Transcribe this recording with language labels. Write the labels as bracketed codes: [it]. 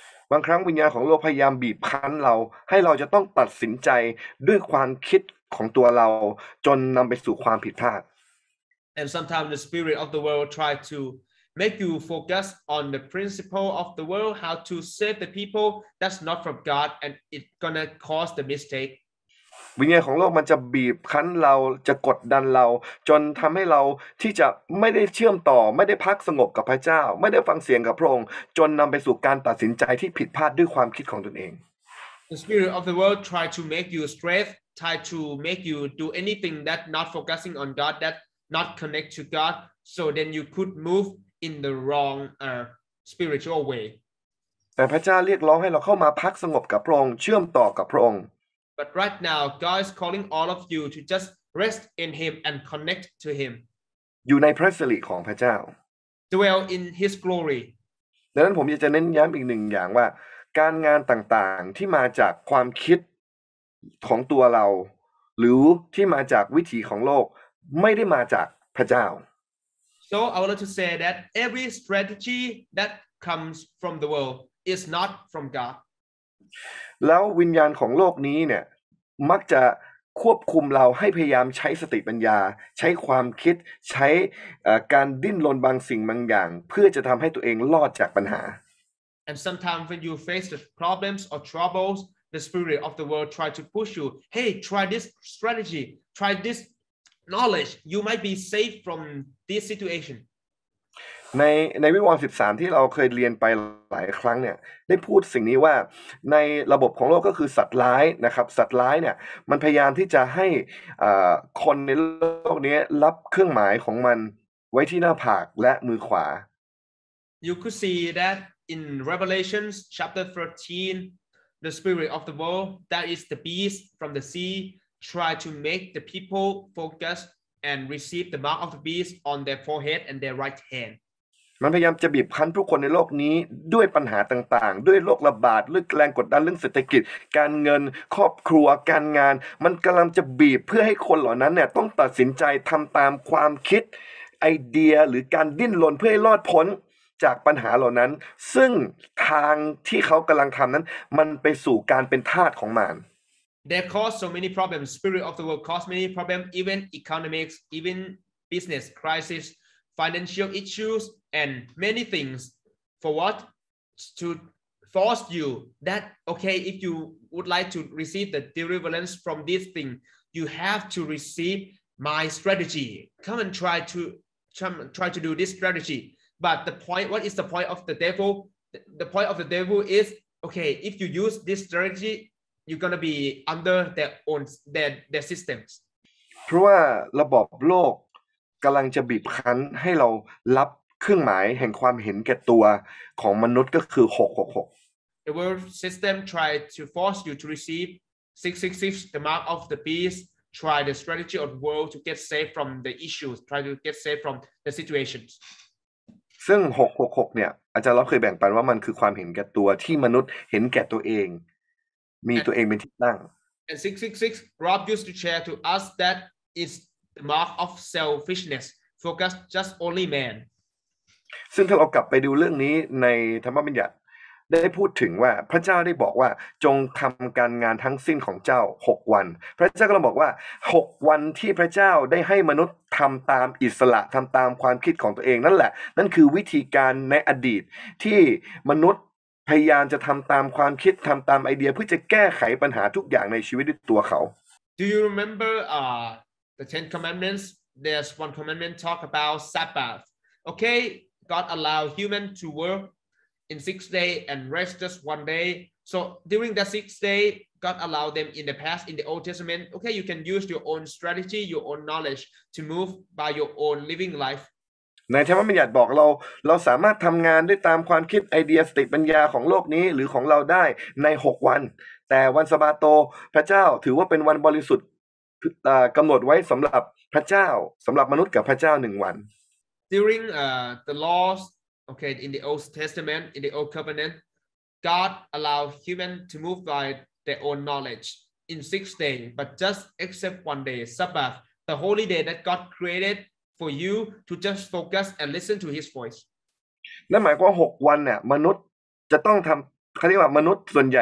[th] บางครั้งวิญญาณของโลกพยายามบีบคั้นเราให้เราจะต้องตัดสินใจด้วยความคิดของตัวเราจนนำไปสู่ความผิดพลาด [en] And sometimes the spirit of the world try to make you focus on the principle of the world how to save the people that's not from God and it's gonna cause the mistake [th] วิญญาณของโลกมันจะบีบคั้นเราจะกดดันเราจนทำให้เราที่จะไม่ได้เชื่อมต่อไม่ได้พักสงบกับพระเจ้าไม่ได้ฟังเสียงกับพระองค์จนนำไปสู่การตัดสินใจที่ผิดพลาดด้วยความคิดของตนเอง [en] The spirit of the world try to make you stress try to make you do anything that not focusing on God that not connect to God so then you could move in the wrong spiritual way [th] แต่พระเจ้าเรียกร้องให้เราเข้ามาพักสงบกับพระองค์เชื่อมต่อกับพระองค์ [en] But right now God is calling all of you to just rest in him and connect to him. [th] อยู่ในพระสิริของพระเจ้า [en] Dwell in his glory. [th] ดังนั้นผมอยากจะเน้นย้ำอีกหนึ่งอย่างว่าการงานต่างๆที่มาจากความคิดของตัวเราหรือที่มาจากวิถีของโลกไม่ได้มาจากพระเจ้า [en] So I want to say that every strategy that comes from the world is not from God. [th] แล้ววิญญาณของโลกนี้เนี่ยมักจะควบคุมเราให้พยายามใช้สติปัญญาใช้ความคิดใช้การดิ้นรนบางสิ่งบางอย่างเพื่อจะทำให้ตัวเองรอดจากปัญหา [en] And sometimes when you face the problems or troubles the spirit of the world try to push you hey try this strategy try this knowledge you might be safe from this situation [th] ในวิวรณ์13ที่เราเคยเรียนไปหลายครั้งเนี่ยได้พูดสิ่งนี้ว่าในระบบของโลกก็คือสัตว์ร้ายนะครับสัตว์ร้ายเนี่ยมันพยายามที่จะให้คนในโลกนี้รับเครื่องหมายของมันไว้ที่หน้าผากและมือขวา [en] You could see that in Revelation chapter 13The spirit of the world, that is the beast from the sea, try to make the people focus and receive the mark of the beast on their forehead and their right hand. [th] มันพยายามจะบีบคั้นผู้คนในโลกนี้ด้วยปัญหาต่างๆด้วยโรคระบาดหรือแรงกดดันเรื่องเศรษฐกิจการเงินครอบครัวการงานมันกำลังจะบีบเพื่อให้คนเหล่านั้นเนี่ยต้องตัดสินใจทำตามความคิดไอเดียหรือการดิ้นรนเพื่อให้รอดพ้นจากปัญหาเหล่านั้นซึ่งทางที่เขากำลังทำนั้นมันไปสู่การเป็นทาสของมาร [en] They cause so many problems. Spirit of the world cause many problems, even economics, even business crisis, financial issues, and many things. For what? To force you that, okay, if you would like to receive the deliverance from this thing, you have to receive my strategy. Come and try to do this strategy. But the point, what is the point of the devil? The point of the devil is, okay, if you use this strategy, you're going to be under their own, their systems. [th] เพราะว่าระบบโลกกำลังจะบีบคั้นให้เรารับเครื่องหมายแห่งความเห็นแก่ตัวของมนุษย์ก็คือ666. [en] The world system try to force you to receive 666, the mark of the beast, try the strategy of the world to get safe from the issues, try to get safe from the situations. [th] ซึ่ง666เนี่ยอาจารย์ล็อบเคยแบ่งปันว่ามันคือความเห็นแก่ตัวที่มนุษย์เห็นแก่ตัวเองมีตัวเองเป็นที่ตั้ง [en] And 666 Rob used to share to us that is the mark of selfishness focus just only man [th] ซึ่งถ้าเรากลับไปดูเรื่องนี้ในธรรมบัญญัติได้พูดถึงว่าพระเจ้าได้บอกว่าจงทำการงานทั้งสิ้นของเจ้า6วันพระเจ้าก็บอกว่า6วันที่พระเจ้าได้ให้มนุษย์ทำตามอิสระทำตามความคิดของตัวเองนั่นแหละนั่นคือวิธีการในอดีตที่มนุษย์พยายามจะทำตามความคิดทำตามไอเดียเพื่อจะแก้ไขปัญหาทุกอย่างในชีวิตด้วยตัวเขา [en] Do you remember the Ten Commandments? There's one commandment talk about Sabbath. Okay, God allowed human to workin 6 day and rest just 1 day so during that 6 day God allowed them in the past in the old testament okay you can use your own strategy your own knowledge to move by your own living life [th] ในธรรมบัญญัติบอกเราสามารถทำงานด้วยตามความคิดไอเดียสติปัญญาของโลกนี้หรือของเราได้ใน6วันแต่วันสะบาโตพระเจ้าถือว่าเป็นวันบริสุทธิ์กำหนดไว้สำหรับพระเจ้าสำหรับมนุษย์กับพระเจ้า1วัน [en] during the lawsOkay, in the Old Testament, in the Old Covenant, God allowed human to move by their own knowledge in 6 days, but just except 1 day, Sabbath, the holy day that God created for you to just focus and listen to His voice. [th] นั่นหมายความ6 วันเนี่ยมนุษย์จะต้องทำเขาเรียกว่ามนุษย์ส่วนใหญ